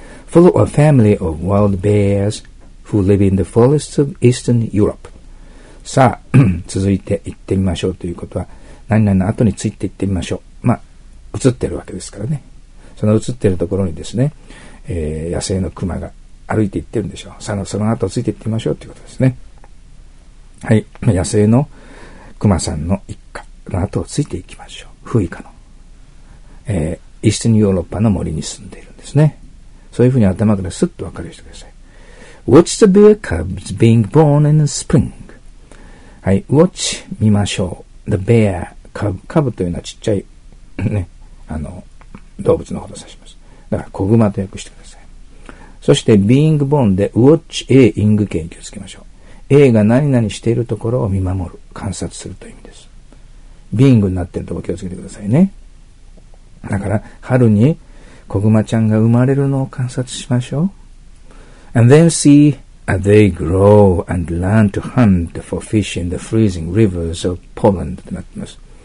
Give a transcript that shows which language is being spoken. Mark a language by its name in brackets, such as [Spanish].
[English] Follow a family of wild bears who live in the forests of Eastern Europe。 [Japanese] さあ続いて行ってみましょうということは、何々の後について行ってみましょう、まあ映ってるわけですからね。その映ってるところにですね、野生のクマが歩いて行ってるんでしょう。さあその後ついて行ってみましょうということですね。はい、野生のクマさんの一家の後をついていきましょう。フイカの、イースティンヨーロッパの森に住んでいるんですね。そういうふうに頭からスッと分かるようにしてください。 [English] Watch the bear cubs being born in the spring。 [Japanese] はい、Watch 見ましょう。 [English] The bear cub、 [Japanese] カブというのはちっちゃいね、あの動物のことを指します。だから子熊と訳してください。そして being born で Watch A ing 形に気をつけましょう。 A が何々しているところを見守る、観察するという意味です。 Being になっているところ気をつけてくださいね。だから春に子グマちゃんが生まれるのを観察しましょう。 [English] And then see as they grow and learn to hunt for fish in the freezing rivers of Poland [Japanese] となっています。